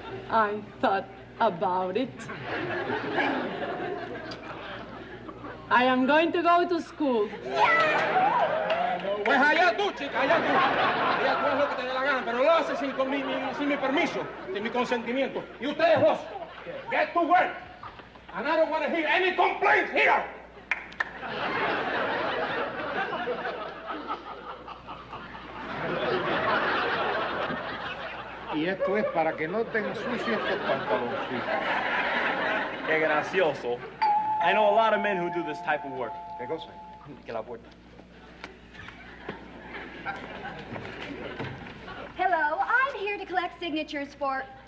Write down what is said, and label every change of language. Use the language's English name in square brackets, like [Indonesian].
[English] I thought about it. I am going to go to school. [Spanish] Pues allá tú, chica, allá tú. Allá tú haz lo que te dé la gana, pero lo haces sin mi permiso, sin mi consentimiento. Y ustedes dos, [English] get to work. And I don't want to hear any complaints here. [Spanish] Y esto es para que no te ensucie estos pantalones. Qué gracioso. [English] I know a lot of men who do this type of work. [Spanish] ¿Qué cosa? Que la puerta. [English] Hello, I'm here to collect signatures for...